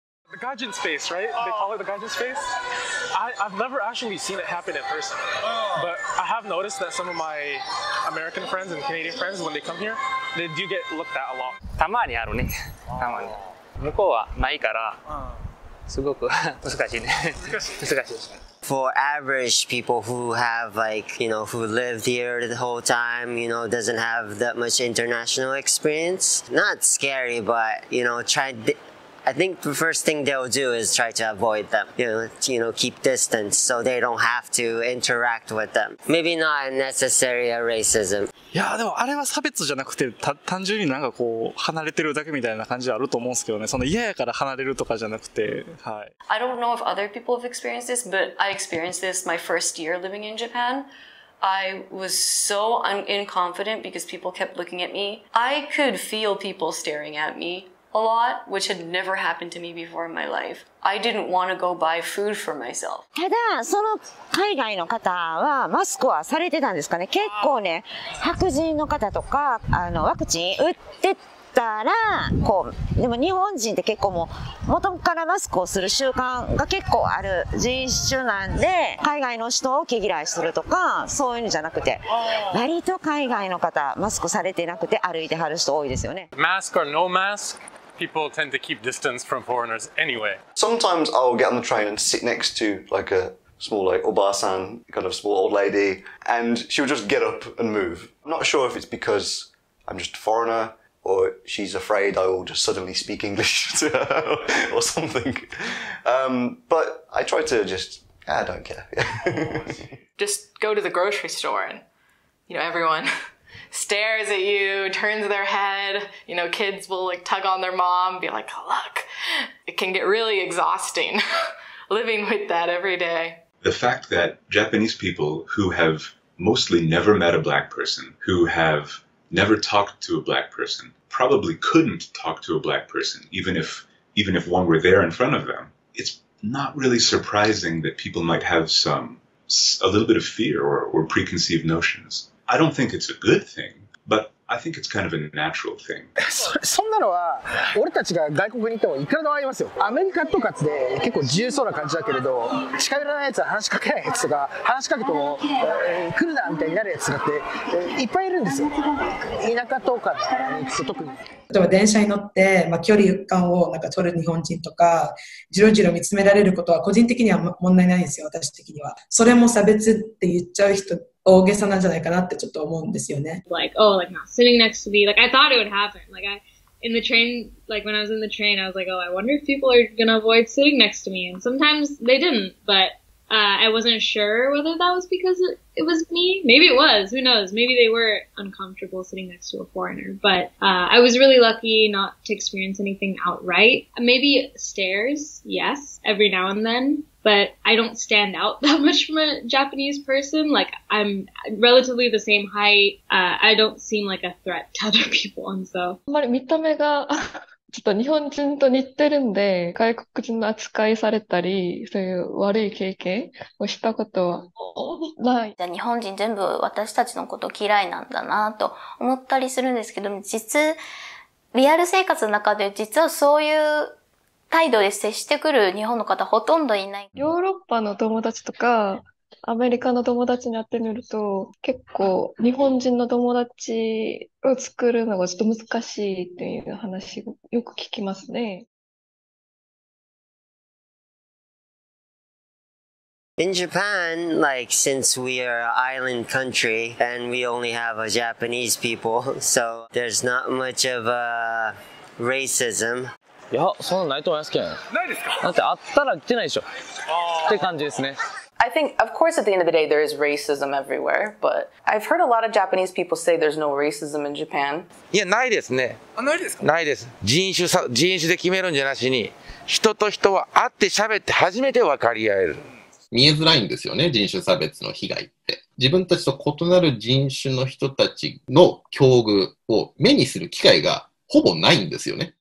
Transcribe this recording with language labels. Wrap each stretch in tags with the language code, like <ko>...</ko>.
<en>The gaijin space, right? They call it the gaijin space. I've never actually seen it happen in person, but I have noticed that some of my American friends and Canadian friends, when they come here, they do get looked at a lot.</en> <ja>たまにあるね。たまに。向こうはないから、すごく難しいね。難しい。難しい。</ja> <en>For average people who have like, you know, who lived here the whole time, you know, doesn't have that much international experience. Not scary, but, you know, I think the first thing they'll do is try to avoid them. You know, keep distance so they don't have to interact with them. Maybe not a necessary racism.</en> <ja>Yeah, でもあれは差別じゃなくて、単純になんかこう離れてるだけみたいな感じあると思うんですけどね。その嫌やから離れるとかじゃなくて、はい。</ja> <en>I don't know if other people have experienced this, but I experienced this my first year living in Japan. I was so inconfident because people kept looking at me. I could feel people staring at me. A lot, which had never happened to me before in my life. I didn't want to go buy food for myself.</en> <ja>ただその海外の方はマスクはされてたんですかね。結構ね、白人の方とかあのワクチン打ってたらこう、でも日本人って結構もう元からマスクをする習慣が結構ある人種なんで、海外の人を毛嫌いするとかそういうのじゃなくて、割と海外の方マスクされてなくて歩いてはる人多いですよね。</ja> <en>マスク or no mask? People tend to keep distance from foreigners anyway. Sometimes I'll get on the train and sit next to like a small like obasan, kind of small old lady, and she'll just get up and move. I'm not sure if it's because I'm just a foreigner or she's afraid I will just suddenly speak English to her or something. But I try to just, I don't care. Just go to the grocery store and, you know, everyone... stares at you, turns their head, you know, kids will like tug on their mom, be like, look, it can get really exhausting living with that every day. The fact that Japanese people who have mostly never met a black person, who have never talked to a black person, probably couldn't talk to a black person, even if one were there in front of them, it's not really surprising that people might have a little bit of fear or preconceived notions. I don't think it's a good thing, but I think it's kind of a natural thing.</en> <ja>そんなのは俺たちが外国に行ってもいくらでもありますよ。アメリカとかって結構自由そうな感じだけれど、近寄らないやつは話しかけないやつとか、話しかけても来るなみたいになるやつがっていっぱいいるんですよ。田舎とかって言うと特に。例えば電車に乗って、まあ、距離感をなんか取る日本人とかジロジロ見つめられることは個人的には問題ないんですよ、私的には。それも差別って言っちゃう人大げさなんじゃないかなってちょっと思うんですよね。</ja> <en>Like, oh, like not sitting next to me. Like, I thought it would happen. Like, when I was in the train, I was like, oh, I wonder if people are gonna avoid sitting next to me. And sometimes they didn't, but、I wasn't sure whether that was because it was me. Maybe it was. Who knows? Maybe they were uncomfortable sitting next to a foreigner. But、I was really lucky not to experience anything outright. Maybe stares, yes, every now and then. But I don't stand out that much from a Japanese person. Like, I'm relatively the same height. I don't seem like a threat to other people, and so.</en> <ja>あんまり見た目がちょっと日本人と似てるんで、外国人の扱いされたり、そういう悪い経験をしたことはない。じゃあ日本人全部私たちのこと嫌いなんだなと思ったりするんですけど、実、リアル生活の中で実はそういう態度で接してくる日本の方ほとんどいない。ヨーロッパの友達とかアメリカの友達に会ってみると結構日本人の友達を作るのがちょっと難しいっていう話をよく聞きますね。</ja> <en>In Japan, like, since we are an island country and we only have a Japanese people, so there's not much of a racism.</en> <ja>いや、そんなないと思いますけど。ないですか？だってあったら来てないでしょ。って感じですね。</ja> <en>I think, of course, at the end of the day, there is racism everywhere, but I've heard a lot of Japanese people say there's no racism in Japan.</en> <ja>Yeah, ないですね。あ、ないですか？ないです。人種で決めるんじゃなしに、人と人は会って喋って初めて分かり合える。見えづらいんですよね、人種差別の被害って。自分たちと異なる人種の人たちの境遇を目にする機会がほぼないんですよね。</ja>